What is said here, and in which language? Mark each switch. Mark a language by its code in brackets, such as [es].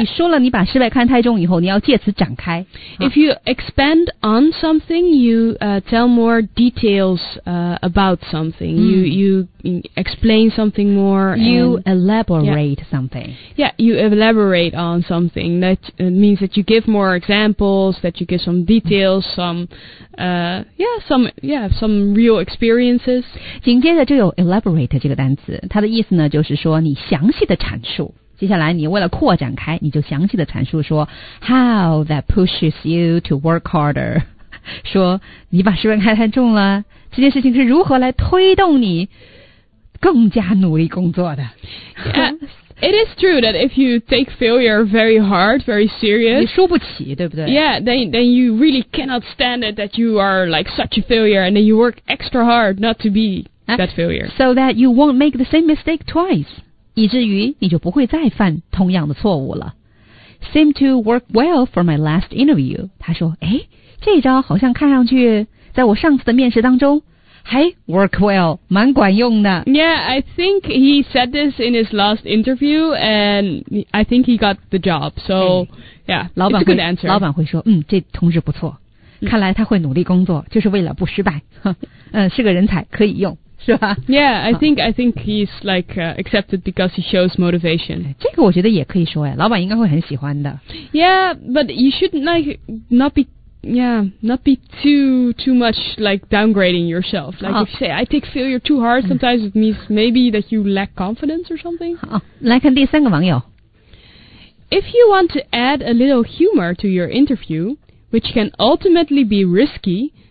[zh] 你说了你把失败看太重以后，你要借此展开。 [en] If you expand on something, you tell more details about something. You explain something more. You elaborate something. Yeah, you elaborate on something. That means that you give more examples, that you give some details, some real experiences. [zh] 紧接着就有 elaborate 这个单词，它的意思呢，就是说你详细的阐述。接下来你为了扩展开，你就详细的阐述说 [en] how that pushes you to work harder， [zh] 说你把失败看太重了，这件事情是如何来推动你更加努力工作的。 [en] It is true that if you take failure very hard, very serious, [zh] 你输不起，对不对 [en] ？Yeah, then you really cannot stand it that you are like such a failure, and then you work extra hard not to be that failure, so that you won't make the same mistake twice. [zh] 以至于你就不会再犯同样的错误了。 [en] Seem to work well for my last interview. [zh] 他说，诶，这一招好像看上去在我上次的面试当中还 [en] work well, [zh] 蛮管用的。 [en] Yeah, I think he said this in his last interview, and I think he got the job. So, yeah, [zh] 老板会 [en] it's a good answer. [zh] 老板会说，这同事不错，看来他会努力工作，就是为了不失败。是个人才，可以用。 [en] Yeah, I think he's like accepted because he shows motivation. [zh] 这个我觉得也可以说呀，老板应该会很喜欢的。 [en] Yeah, but you shouldn't like not be too much like downgrading yourself. Like if you say I take failure too hard, sometimes it means maybe that you lack confidence or something. [zh] 好，来看第三个网友。 [en] If you want to add a little humor to your interview, which can ultimately be risky.